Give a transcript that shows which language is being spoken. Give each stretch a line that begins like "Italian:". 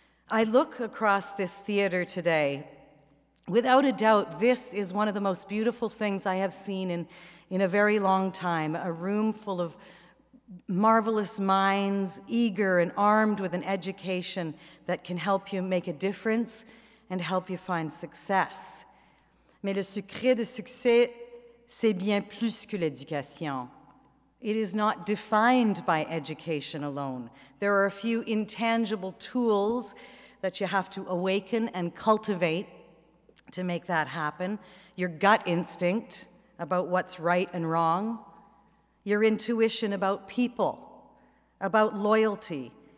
English: I look across this theater today. Without a doubt, this is one of the most beautiful things I have seen in a very long time, a room full of marvelous minds, eager and armed with an education that can help you make a difference and help you find success.
French: Mais le secret de succès, c'est bien plus que l'éducation.
English: It is not defined by education alone. There are a few intangible tools that you have to awaken and cultivate to make that happen. Your gut instinct about what's right and wrong. Your intuition about people, about loyalty.